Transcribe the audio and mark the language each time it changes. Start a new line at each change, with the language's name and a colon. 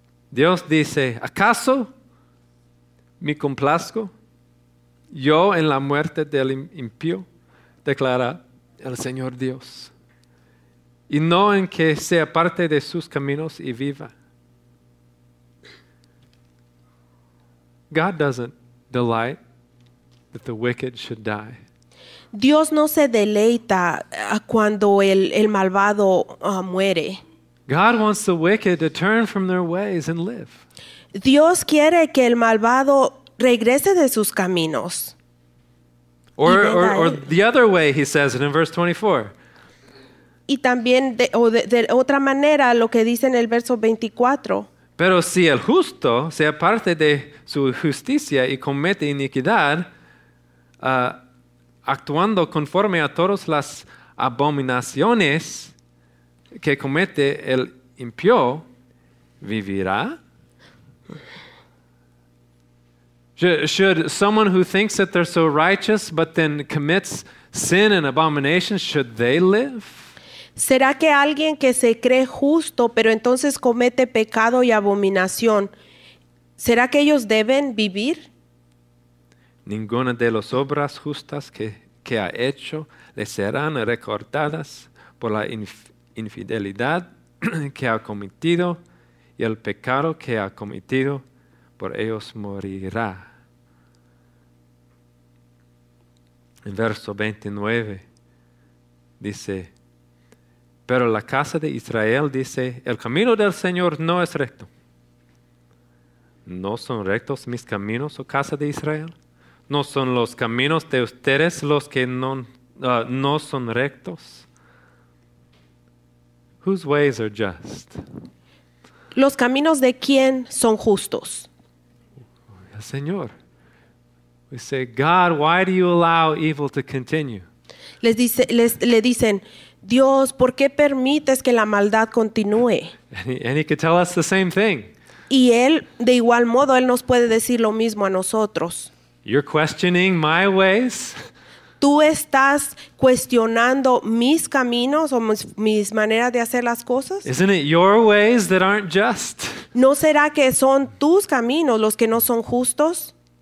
Spanish: Dios dice, ¿acaso me complazco yo en la muerte del impío? Declara el Señor Dios. Y no en que sea parte de sus caminos y viva.
English: God doesn't delight that the wicked should die.
Spanish: Dios no se deleita cuando el malvado muere.
English: God wants the wicked to turn from their ways and live.
Spanish: Dios quiere que el malvado regrese de sus caminos.
English: Or the other way, he says it in verse 24.
Spanish: Y también de otra manera lo que dice en el verso 24. Pero si el justo se aparta de su justicia y comete iniquidad, actuando conforme a todas las abominaciones que comete el impío, ¿vivirá?
English: Should someone who thinks that they're so righteous but then commits sin and abomination, should they live?
Spanish: ¿Será que alguien que se cree justo, pero entonces comete pecado y abominación, será que ellos deben vivir? Ninguna de las obras justas que ha hecho le serán recordadas por la infidelidad que ha cometido y el pecado que ha cometido, por ellos morirá. En verso 29 dice, pero la casa de Israel dice, el camino del Señor no es recto. ¿No son rectos mis caminos, oh casa de Israel? ¿No son los caminos de ustedes los que no son rectos?
English: Whose ways are just?
Spanish: ¿Los caminos de quién son justos? El Señor.
English: We say, God, why do you allow evil to continue?
Spanish: Le dicen, Dios, ¿por qué permites que la maldad continúe?
English: And he could tell us the same thing.
Spanish: Y él, de igual modo, él nos puede decir lo mismo a nosotros.
English: You're questioning my ways.
Spanish: Tú estás cuestionando mis caminos o mis maneras de hacer las cosas.
English: Isn't it your ways that aren't just?
Spanish: ¿No será que son tus caminos los que no son justos?